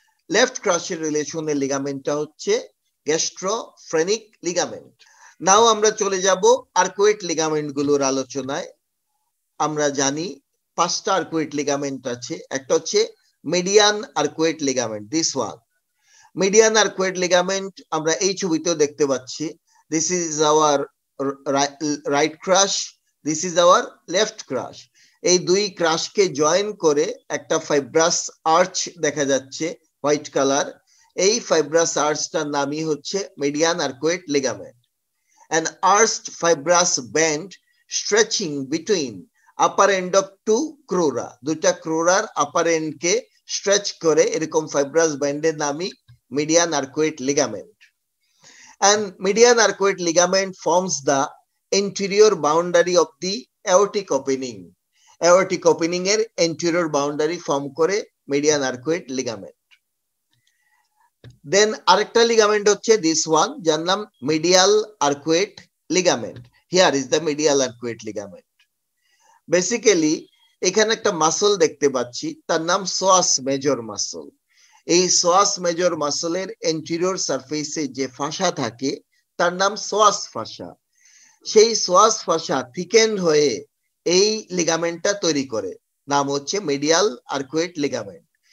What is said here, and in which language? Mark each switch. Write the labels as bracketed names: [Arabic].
[Bangla] Left ক্রাশের রিলেশনের লিগামেন্টটা হচ্ছে গ্যাস্ট্রোফ্রেনিক ligament. নাও আমরা চলে যাব আর্কুয়েট লিগামেন্ট গুলোর আলোচনায়। আমরা জানি পাঁচটা আর্কুয়েট লিগামেন্ট আছে, একটা হচ্ছে median arcuate ligament, this one median arcuate ligament আমরা এই ছবিতেও দেখতে পাচ্ছি। [English] This is our right crush, this is our left crush. [Bangla] এই দুই crush কে join করে একটা fibrous arch দেখা যাচ্ছে white color. এই fibrous arch টার নামই হচ্ছে median arcuate ligament. [English] An arched fibrous band stretching between upper end of two crura. [Bangla] দুটো crura-র upper end কে stretch করে এরকম fibrous band এর নামই median arcuate ligament. [English] And median arcuate ligament forms the interior boundary of the aortic opening. [Bangla] Aortic opening এর interior boundary form করে median arcuate ligament. Then আরেকটা ligament হচ্ছে this one, যার নাম medial arcuate ligament. [English] Here is the medial arcuate ligament. [Bangla] Basically, এখানে একটা muscle দেখতে পাচ্ছি, তার নাম psoas major muscle. এই সোয়াস মেজর মাসলের এন্টেরিয়র সারফেসে যে ফাসা থাকে তার নাম সোয়াস ফাসা, সেই সোয়াস ফাসা থিকেন্ড হয়ে এই লিগামেন্টটা তৈরি করে, নাম হচ্ছে মিডিয়াল আর্কুয়েট লিগামেন্ট।